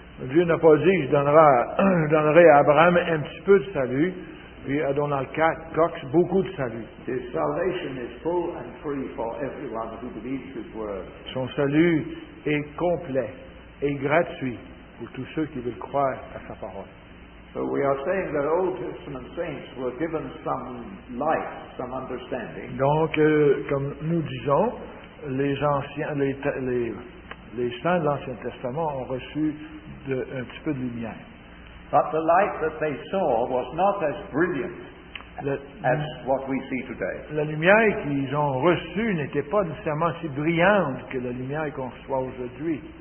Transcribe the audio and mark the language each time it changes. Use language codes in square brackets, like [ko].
[fr] Dieu n'a pas dit, je donnerai à Abraham un petit peu de salut, puis à Donald Cox beaucoup de salut. [en] His salvation is full and free for everyone who believes his word. [fr] Son salut est complet et gratuit pour tous ceux qui veulent croire à sa parole. [en] So we are saying that Old Testament saints were given some light, some understanding. [fr] Donc, comme nous disons, les anciens, les saints de l'Ancien Testament ont reçu un petit peu de lumière. [en] But the light that they saw was not as brilliant as what we see today. [fr] La lumière qu'ils ont reçue n'était pas nécessairement si brillante que la lumière qu'on reçoit aujourd'hui.